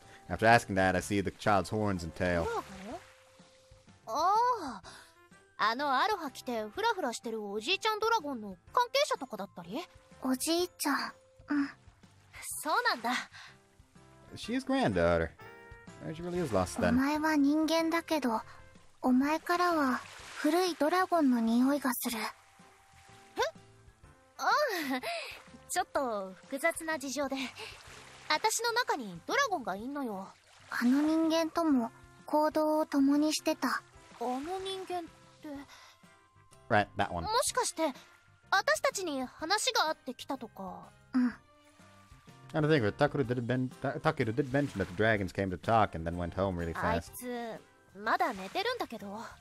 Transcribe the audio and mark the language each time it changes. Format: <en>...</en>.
<en>After asking that, I see the child's horns and tail.</en> <ja>Oh, あのアロハ着てフラフラしてるおじいちゃんドラゴンの関係者とかだったり？おじいちゃん、そうなんだ。</ja> <en>She's granddaughter. She really is lost then.</en> <ja>お前は人間だけど、お前からは古いドラゴンの匂いがする。え？ちょっと複雑な事情で。私の中にドラゴンがいんのよ。あの人間とも行動を共にしてた。あの人間って</ja> <en>、 Right, that one.</en> <ja>もしかして私たちに話があってきたとか。うん。</ja> <en>And I think that Takeru did mention that the dragons came to talk and then went home really fast.</en> <ja>あいつまだ寝てるんだけど。</ja>